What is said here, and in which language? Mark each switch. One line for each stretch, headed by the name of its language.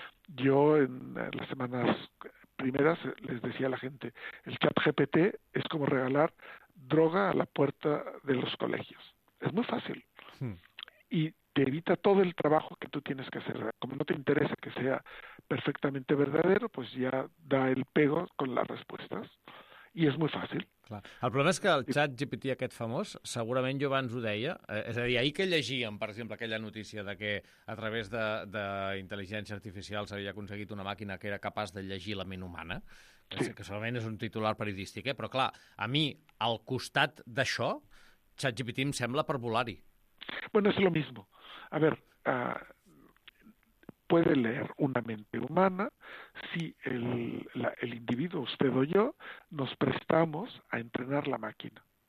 Spanish: Yo en las semanas primeras les decía a la gente, el ChatGPT es como regalar droga a la puerta de los colegios. Es muy fácil. Sí. Y te evita todo el trabajo que tú tienes que hacer. Como no te interesa que sea perfectamente verdadero, pues ya da el pego con las respuestas.
Catalan: i és molt fàcil. Clar. El problema és que el ChatGPT aquest famós, segurament jo abans ho deia, és a dir, ahir que llegíem, per exemple, aquella notícia de que a través d'intel·ligència artificial s'havia aconseguit una màquina que era capaç de llegir la ment humana, sí, que segurament és un titular periodístic, però clar, a mi, al costat d'això, ChatGPT em sembla per volar-hi.
Spanish: Bueno, es lo mismo. A ver, puede leer una mente humana si el individuo, usted o yo, nos prestamos a entrenar la máquina.